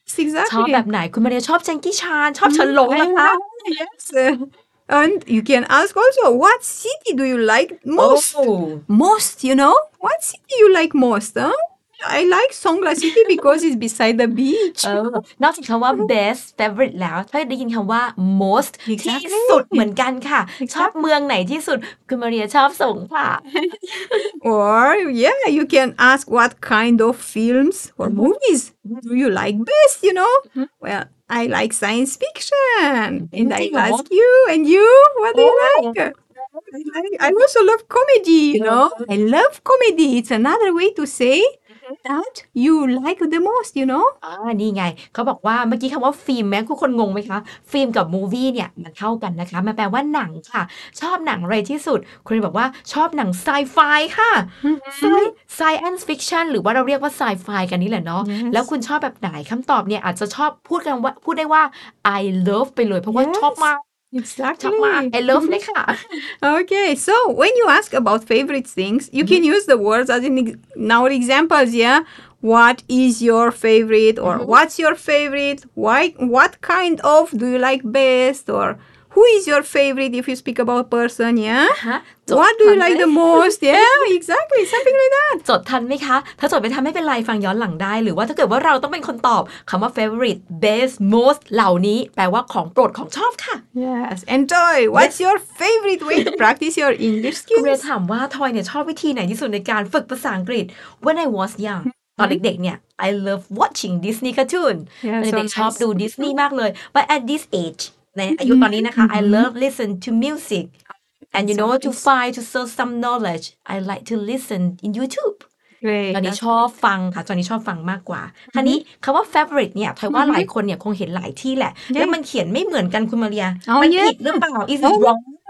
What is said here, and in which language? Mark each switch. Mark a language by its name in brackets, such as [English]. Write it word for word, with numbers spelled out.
[English] exactly [Thai] ชอบแบบไหนคุณมาเรียชอบ Jackie Chan ชอบเฉินหลงนะคะ [English] yes And you can ask also, what city do you like most? Oh. Most, you know? What city you like most? Huh? I like Songkhla City because it's beside the beach. [Thai] เออนอกจากคำว่า best favorite แล้วถ้าได้ยินคำว่า most ที่สุดเหมือนกันค่ะชอบเมืองไหนที่สุดคุณมาเรียชอบสงขลา [English] Or yeah, you can ask what kind of films or movies do you like best, you know? Well, I like science fiction. And I ask you, and you, what do you like? I, I also love comedy, you know. I love comedy. It's another way to say that you like the most, you know. [Thai] อ่านี่ไงเขาบอกว่าเมื่อกี้คำว่าฟิล์มแม้คุณคนงงไหมคะฟิล์มกับมูวี่เนี่ยมันเข้ากันนะคะมันแปลว่าหนังค่ะชอบหนังอะไรที่สุดคุณบอกว่าชอบหนังไซไฟค่ะไซไซแอนซ์ฟิคชั่นหรือว่าเราเรียกว่าไซไฟกันนี่แหละเนาะแล้วคุณชอบแบบไหนคำตอบเนี่ยอาจจะชอบพูดกันว่าพูดได้ว่า I love ไปเลยเพราะว่าชอบมาก [English] Exactly. I love it. Okay, so when you ask about favorite things, you mm-hmm. can use the words as in ex- our examples, yeah? What is your favorite? Or mm-hmm. what's your favorite? Why? What kind of do you like best? Or who is your favorite if you speak about a person, yeah? Uh-huh. What do you like the most? Yeah, exactly. Something like that. [Thai] จดทันไหมคะถ้าจดไม่ทันไม่เป็นไรฟังย้อนหลังได้หรือว่าถ้าเกิดว่าเราต้องเป็นคนตอบคำว่า favorite, best, most เหล่านี้แปลว่าของโปรดของชอบค่ะ [English] Yes. And Toy, what's your favorite way to practice your English skills? [Thai] คุณเรถามว่า Toy เนี่ยชอบวิธีไหนที่สุดในการฝึกภาษาอังกฤษ [English] When I was young [Thai] ตอนเด็กๆเนี่ย [English] I love watching Disney cartoon [Thai] ตอนเด็กชอบดู Disney มากเลย [English] But at this age [Thai] ในอายุตอนนี้นะคะ [English] I love listen to music and you know to find to search some knowledge I like to listen in YouTube [Thai] ตอนนี้ชอบฟังค่ะตอนนี้ชอบฟังมากกว่าคราวนี้คำว่า favorite เนี่ยทายว่าหลายคนเนี่ยคงเห็นหลายที่แหละแล้วมันเขียนไม่เหมือนกันคุณมาเรียมันผิดหรือเปล่า [English] is it wrong